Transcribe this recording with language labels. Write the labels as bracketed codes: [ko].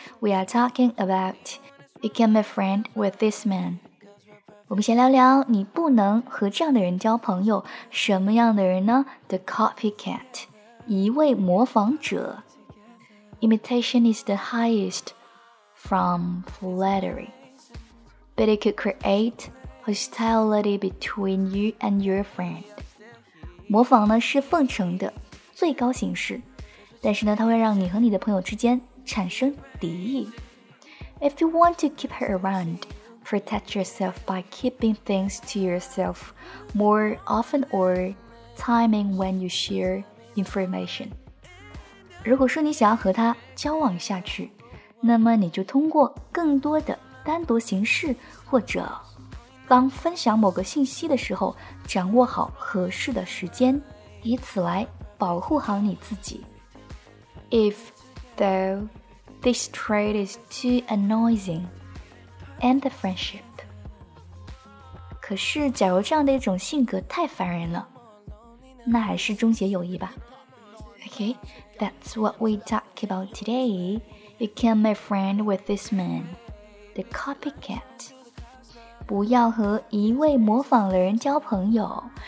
[en] We are talking about Become a friend with this man. [zh] 我们先聊聊你不能和这样的人交朋友，什么样的人呢？ [en] The copycat, [zh] 一味模仿者。 [en] Imitation is the highest from flattery, but it could create hostility between you and your friend. [zh] 模仿呢是奉承的最高形式，但是呢它会让你和你的朋友之间产生敌意。 [en] If you want to keep her around, protect yourself by keeping things to yourself more often or timing when you share information. [zh] 如果说你想要和她交往下去，那么你就通过更多的单独形式，或者当分享某个信息的时候，掌握好合适的时间，以此来保护好你自己。 [en] If though this trait is too annoying, end the friendship. [zh] 可是假如这样的一种性格太烦人了，那还是终结友谊吧。 [en] Okay, that's what we talk about today. Become a friend with this man, the copycat. [zh] 不要和一味模仿的人交朋友。